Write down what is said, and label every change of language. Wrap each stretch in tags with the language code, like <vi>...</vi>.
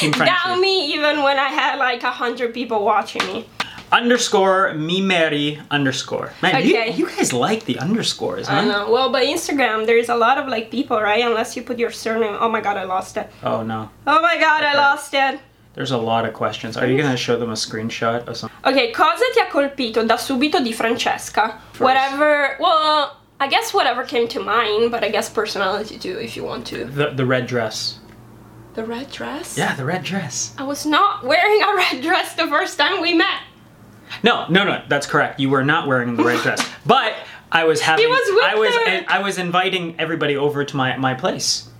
<en>Down me even when I had like 100 people watching me. _ Man, okay. you guys like the underscores, huh? I know. Well, by Instagram, there's a lot of like people, right? Unless you put your surname. Oh my God, I lost it. Oh no. Oh my God, okay. I lost it. There's a lot of questions. Are you gonna show them a screenshot or something?</en> <it>Okay, cosa ti ha colpito da subito di Francesca?</it> <en>First. I guess whatever came to mind, but I guess personality too, if you want to. The red dress. The red dress? Yeah, the red dress. I was not wearing a red dress the first time we met. No, that's correct. You were not wearing the red dress. But I was having I was inviting everybody over to my place.</en>